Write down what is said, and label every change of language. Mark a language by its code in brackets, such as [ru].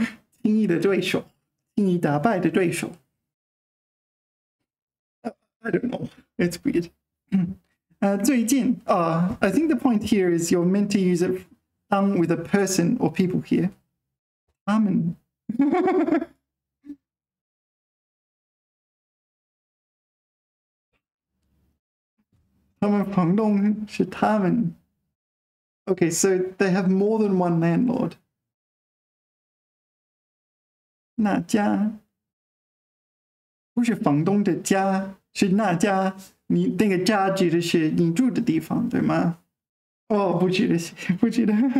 [zh] 轻易的对手，轻易打败的对手。 [en] I don't know. It's weird. [zh] 最近啊、 [en] I think the point here is you're meant to use it done with a person or people here. [zh] 他们。他们房东是他们。 [en] Okay, so they have more than one landlord. [zh] 那家不是房东的家，是那家。你那个家指的是你住的地方，对吗？哦，不指的是，不指的。